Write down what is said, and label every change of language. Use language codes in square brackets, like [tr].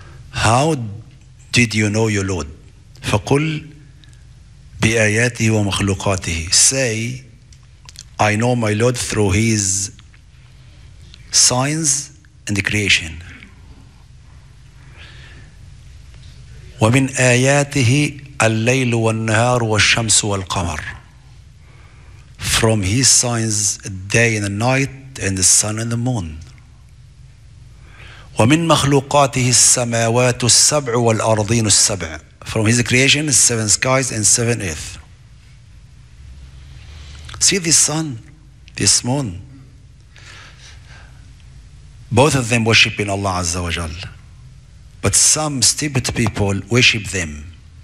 [en] How did you know your Lord? [ar] فقل بآياته ومخلوقاته. [en] Say, I know my Lord through His signs and the creation. [ar] ومن آياته الليل والنهار والشمس والقمر. [en] From His signs, day and night, and the sun and the moon. [ar] ومن مخلوقاته السماوات السبع والأرضين السبع. [en] From His creation, seven skies and seven earth. See this sun, this moon. Both of them worshiping Allah Azza wa Jal. But some stupid people worship them.